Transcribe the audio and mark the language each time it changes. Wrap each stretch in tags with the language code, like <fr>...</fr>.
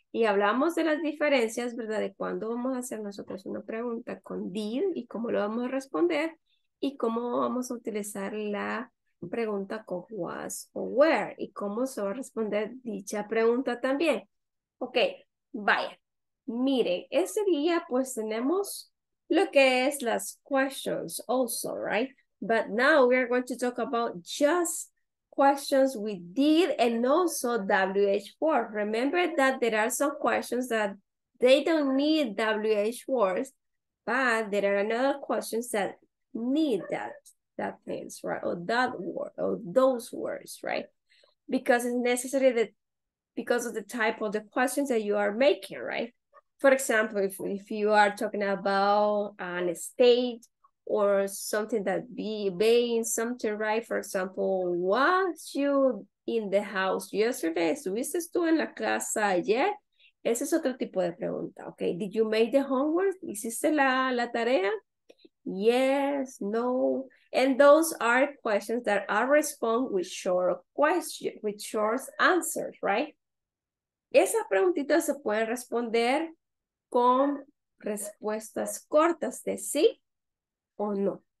<es>Y hablamos de las diferencias, ¿verdad? De cuándo vamos a hacer nosotros una pregunta con did y cómo lo vamos a responder y cómo vamos a utilizar la pregunta con was o were y cómo se va a responder dicha pregunta también. Ok, vaya. Miren, ese día pues tenemos lo que es las</es> <en>questions also, right? But now we are going to talk about just questions with did and also WH forms. Remember that there are some questions that they don't need WH forms, but there are another questions that need that means, right? Or that word, or those words, right? Because it's necessary that because of the type of the questions that you are making, right? For example, if you are talking about an estate or something that be being something, right? For example, was you in the house yesterday?</en> <es>¿Estuviste tú en la casa ayer? Ese es otro tipo de pregunta, okay?</es> <en>Did you make the homework?</en> <es>¿Hiciste la tarea?</es> <en>Yes, no. And those are questions that are respond with short questions, with short answers, right?</en> <es>Esas preguntitas se pueden responder con respuestas cortas de sí o no.</es>